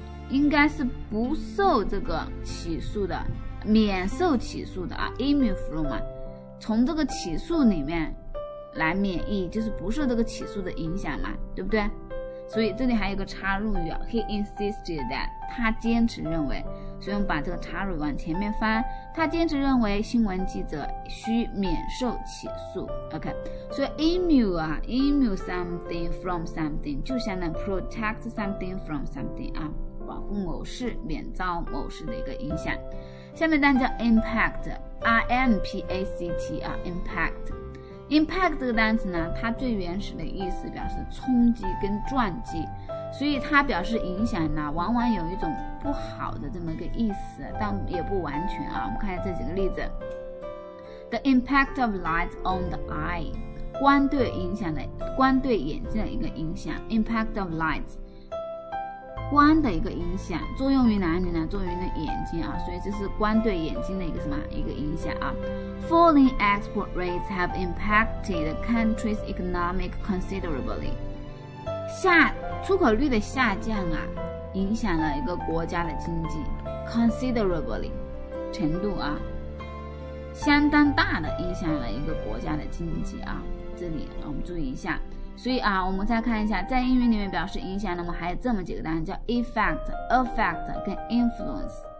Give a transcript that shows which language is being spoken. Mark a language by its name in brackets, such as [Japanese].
[Chinese] 应该是不受这个起诉的，免受起诉的啊 ， [English] immune from [Chinese] 嘛，从这个起诉里面来免疫，就是不受这个起诉的影响嘛，对不对？所以这里还有一个插入语啊 ， [English] he insisted that， [Chinese] 他坚持认为，所以我们把这个插入语往前面翻，他坚持认为新闻记者需免受起诉。 OK， 所以 immune 啊 ， [English] immune something from something [Chinese] 就相当于 [English] protect something from something [Chinese] 啊。保护某事，免遭某事的一个影响。下面单词叫 impact，impact 啊 ，impact，impact 这个单词呢，它最原始的意思表示冲击跟撞击，所以它表示影响呢，往往有一种不好的这么一个意思，但也不完全啊。我们看一下这几个例子 ， [English] The impact of light on the eye， [Chinese] 光对眼睛的一个影响 ， [English] impact of light。 [Chinese] 光的一个影响作用于哪里呢？作用于眼睛啊，所以这是光对眼睛的一个什么一个影响啊。 [English] Falling export rates have impacted the country's economic considerably。 [Chinese] 出口率的下降啊，影响了一个国家的经济 considerably 程度啊，相当大的影响了一个国家的经济啊。这里我们注意一下。所以啊，我们再看一下，在英语里面表示影响，那么还有这么几个单词叫 effect 跟 influence。